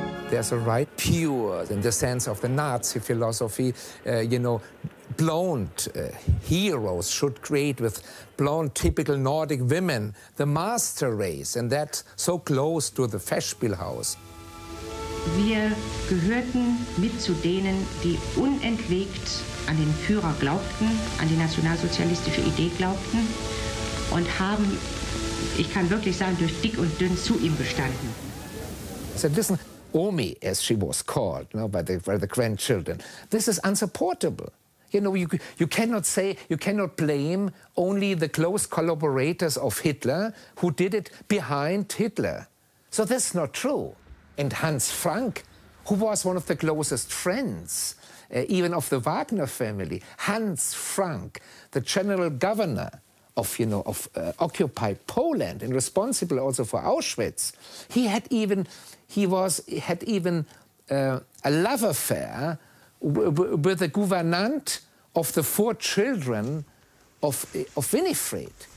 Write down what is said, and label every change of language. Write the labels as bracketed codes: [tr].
[en] There's a right pure in the sense of the Nazi philosophy, heroes should create with blonde, typical Nordic women, the master race, and that so close to the Festspielhaus. [de] Wir gehörten mit zu denen, die unentwegt an den Führer glaubten, an die nationalsozialistische Idee glaubten, und haben, ich kann wirklich sagen, durch dick und dünn zu ihm gestanden. [en] So listen, Omi, as she was called, you know, by the grandchildren. This is unsupportable. You know, you cannot blame only the close collaborators of Hitler who did it behind Hitler. So that's not true. And Hans Frank, who was one of the closest friends, even of the Wagner family, Hans Frank, the general governor of occupied Poland and responsible also for Auschwitz, he had even a love affair with the gouvernante of the four children of Winifred.